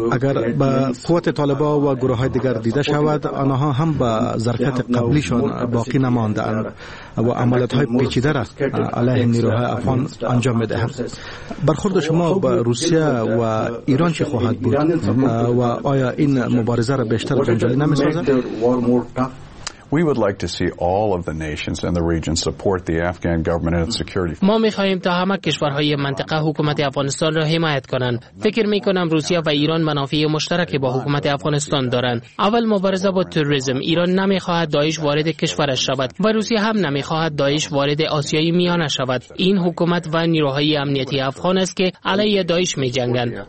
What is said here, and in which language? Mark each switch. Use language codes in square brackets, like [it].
[fa] اگر به قوت طالبان و گروه های دیگر دیده شود، آنها هم به ظرفیت قبلیشان باقی نماندند و عملیات های پیچیده را علیه نیروهای افغان انجام میدهند. برخورد شما با روسیه و ایران چه خواهد بود و آیا این مبارزه را بیشتر جنجالی نمی‌سازد؟ [en] We would like to see all of the nations in the region support the Afghan government and its security. [fa] ما می‌خواهیم تا همه کشورهای منطقه حکومت افغانستان را حمایت کنند. فکر می‌کنم روسیه و ایران منافع مشترک با حکومت افغانستان دارند. اول مبارزه با تروریسم. ایران نمی‌خواهد داعش وارد کشورش شود و روسیه هم نمی‌خواهد داعش وارد آسیای میانه شود. این حکومت و نیروهای امنیتی افغان است که علیه داعش می‌جنگند.